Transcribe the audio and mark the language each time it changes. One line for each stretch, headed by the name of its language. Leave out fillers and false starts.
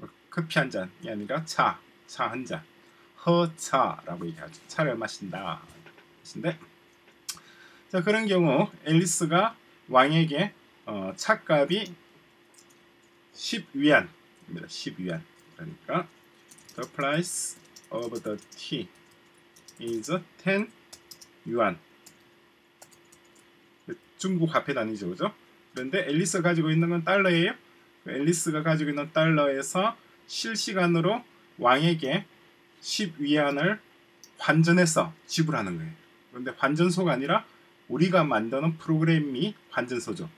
Korean: 커피 한 잔이 아니라 차, 차 한 잔. 허차라고 얘기하죠. 차를 마신다. 근데 자, 그런 경우 앨리스가 왕에게 차값이 10위안입니다. 10위안. 그러니까
English: the price of the tea is 10 yuan.
Korean: 중국 화폐 단위죠. 그죠? 그런데 앨리스가 가지고 있는 건 달러예요. 앨리스가 가지고 있는 달러에서 실시간으로 왕에게 10위안을 환전해서 지불하는 거예요. 그런데 환전소가 아니라 우리가 만드는 프로그램이 환전소죠.